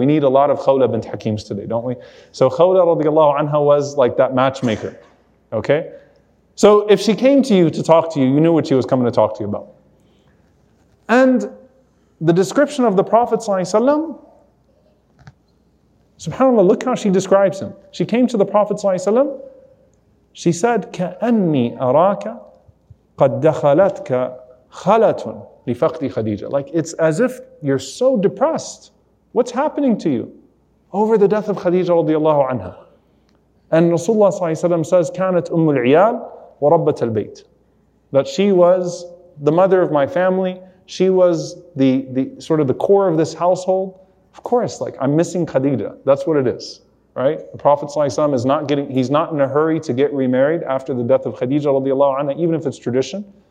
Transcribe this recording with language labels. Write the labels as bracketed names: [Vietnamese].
[English] We need a lot of Khawla bint Hakims today, don't we? So Khawla radiallahu anha was like that matchmaker, okay? So if she came to you to talk to you, you knew what she was coming to talk to you about. And the description of the Prophet ﷺ, SubhanAllah, look how she describes him. She came to the Prophet ﷺ. She said, [Arabic] كَأَنِّي أَرَاكَ قَدْ دَخَلَتْكَ خَلَةٌ لِفَقْدِ خَدِيجَةٌ. [English] Like, it's as if you're so depressed. What's happening to you? Over the death of Khadija radiallahu anha. And Rasulullah ﷺ says, [Arabic] كَانَتْ أُمُّ الْعِيَالِ وَرَبَّةَ الْبَيْتِ. [English] That she was the mother of my family. She was the sort of the core of this household. Of course, like, I'm missing Khadija. That's what it is, right? The Prophet ﷺ he's not in a hurry to get remarried after the death of Khadija radiallahu anha, even if it's tradition.